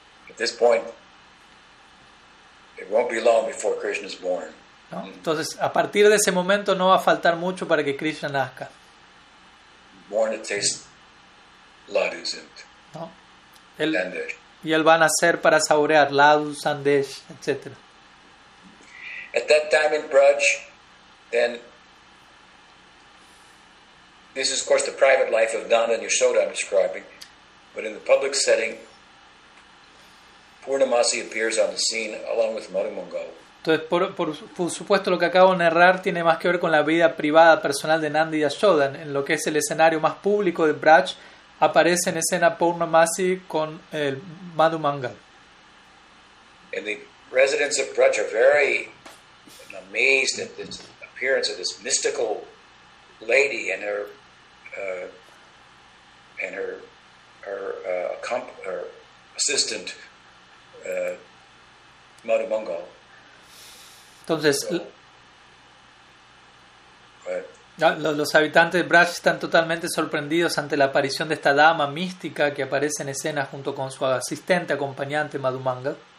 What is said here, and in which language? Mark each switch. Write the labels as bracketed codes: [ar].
[en] At this point, it won't be long before Krishna is born. [es] ¿No? Entonces, a partir de ese momento no va a faltar mucho para que Krishna nazca. [en] Born to taste ladus and [es] ¿no? Él, sandesh. Y él va a nacer para saborear ladus, sandesh, etc. [en] At that time in Braj, then, this is of course the private life of Nanda and Yashoda I'm describing, but in the public setting, Purnamasi appears on the scene along with Madhumangala. [es] Entonces, por supuesto, lo que acabo de narrar tiene más que ver con la vida privada personal de Nanda y Yashoda. En lo que es el escenario más público de Braj, aparece en escena Purnamasi con el Madhu Mangal. [en] And the residents of Braj are very amazed at the appearance of this mystical lady and her assistant Madhu Mangal. [es] Entonces, los habitantes de Braj están totalmente sorprendidos ante la aparición de esta dama mística que aparece en escena junto con su asistente acompañante Madhu Mangal.